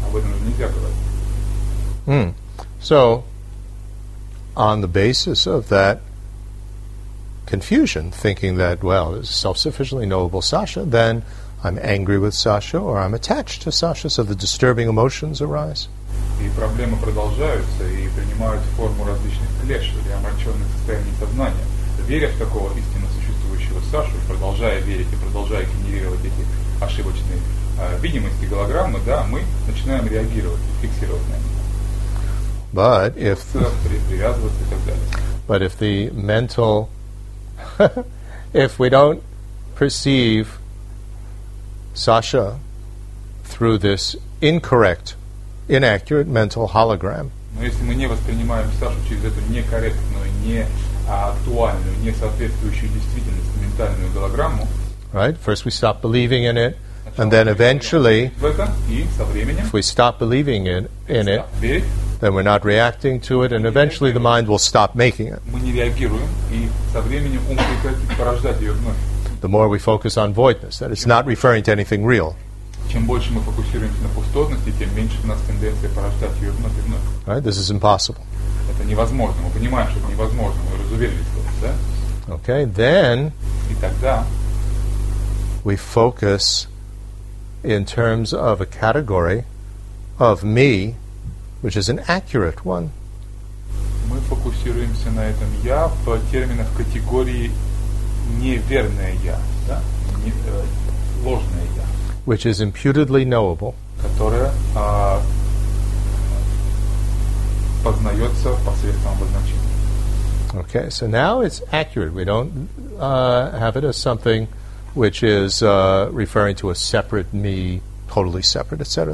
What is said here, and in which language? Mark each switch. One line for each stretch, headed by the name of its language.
Russian: Об этом нельзя говорить. Mm.
English: So, on the basis of that confusion, thinking that, well, it's self-sufficiently knowable Sasha, then I'm angry with Sasha, or I'm attached to Sasha, so the disturbing emotions arise.
Russian: И проблемы продолжаются и принимают форму различных клеш или омраченных состояний сознания. Веря в такого истинно существующего Сашу, продолжая верить и продолжая генерировать эти ошибочные видимости, голограммы, да, мы начинаем реагировать, фиксировать на них.
English: But if
Russian: привязываться и так далее.
English: But if the mental, if we don't perceive Sasha through this incorrect, inaccurate mental hologram.
Russian: Но если мы не воспринимаем Сашу через эту некорректную, неактуальную, не соответствующую действительности ментальную голограмму.
English: Right? First we stop believing in it, and then eventually, if we stop believing in it, then we're not reacting to it, and eventually the mind will stop making it.
Russian: Мы не реагируем, и со временем ум прекратит порождать ее вновь.
English: The more we focus on voidness, that it's not referring to anything real.
Russian: Чем больше мы фокусируемся на пустотности, тем меньше у нас тенденция порождать ее вновь и вновь.
English: Right? This is impossible.
Russian: Это невозможно. Мы понимаем, что это невозможно. Мы разуверились в этом, да?
English: Okay, then.
Russian: И тогда.
English: We focus in terms of a category of me, which is an accurate one.
Russian: Мы фокусируемся на этом я в терминах категории. Неверное я, да? Не, ложное я.
English: Which is imputedly knowable.
Russian: Которое познается посредством обозначения.
English: Okay, so now it's accurate. We don't have it as something which is referring to a separate me, totally separate, etc.